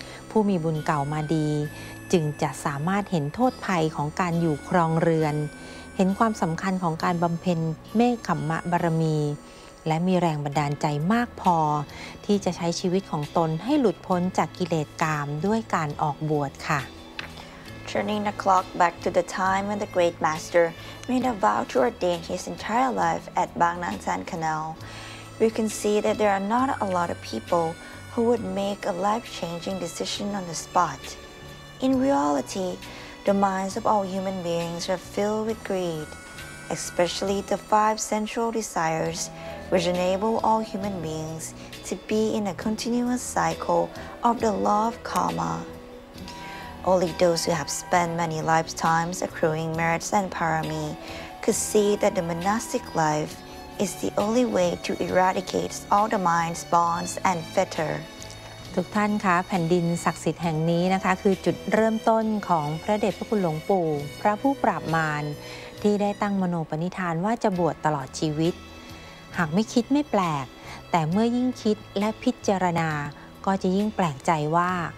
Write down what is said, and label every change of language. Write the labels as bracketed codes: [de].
[th] ผู้มีบุญเก่ามาดีจึงจะสามารถเห็นโทษภัยของการอยู่ครองเรือนเห็นความสำคัญของการบำเพ็ญเมฆขัมมะบารมีและมีแรงบันดาลใจมากพอที่จะใช้ชีวิตของตนให้หลุดพ้นจากกิเลสกามด้วยการออกบวชค่ะ [en] Turning the clock back to the time when the great master made a vow to ordain his entire life at Bang Nang Than Canal, we can see that there are not a lot of people who would make a life-changing decision on the spot. In reality, the minds of all human beings are filled with greed, especially the five central desires. Which enable all human beings to be in a continuous cycle of the law of karma. Only those who have spent many lifetimes accruing merits and parami could see that the monastic life is the only way to eradicate all the mind's bonds and fetter. [th] ทุกท่านคะแผ่นดินศักดิ์สิทธิ์แห่งนี้นะคะคือจุดเริ่มต้นของพระเดชพระคุณหลวงปู่พระผู้ปราบมารที่ได้ตั้งมโนปณิธานว่าจะบวชตลอดชีวิตหากไม่คิดไม่แปลกแต่เมื่อยิ่งคิดและพิจารณาก็จะยิ่งแปลกใจว่า